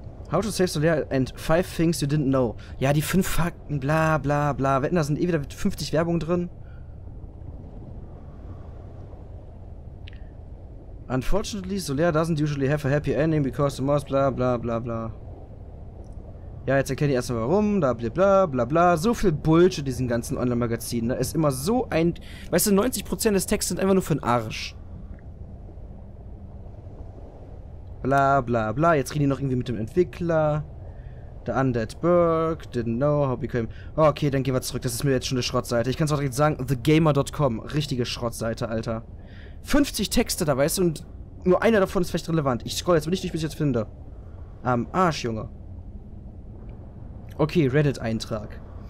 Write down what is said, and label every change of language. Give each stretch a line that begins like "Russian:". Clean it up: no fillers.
English: How to save Solaire and 5 things you didn't know.
German: Ja, die 5 Fakten,
English: bla bla bla.
German: Wetten, da sind eh wieder 50 Werbung drin.
English: Unfortunately, Solaire doesn't usually have a happy ending because the moss bla bla bla bla.
German: Ja, jetzt erkenne ich erstmal warum, da bla bla bla bla. So viel Bullshit in diesen ganzen Online-Magazinen. Da ist immer so ein... Weißt du, 90% des Textes sind einfach nur für den Arsch. Bla bla bla, jetzt reden die noch irgendwie mit dem Entwickler.
English: The Undead Berg, didn't know how we came.
German: Okay, dann gehen wir zurück, das ist mir jetzt schon eine Schrottseite. Ich kann es auch direkt sagen, thegamer.com, richtige Schrottseite, Alter. 50 Texte da, weißt du, und nur einer davon ist vielleicht relevant. Ich scroll jetzt nicht durch, bis ich jetzt finde. Am Arsch, Junge. Okay, Reddit-Eintrag.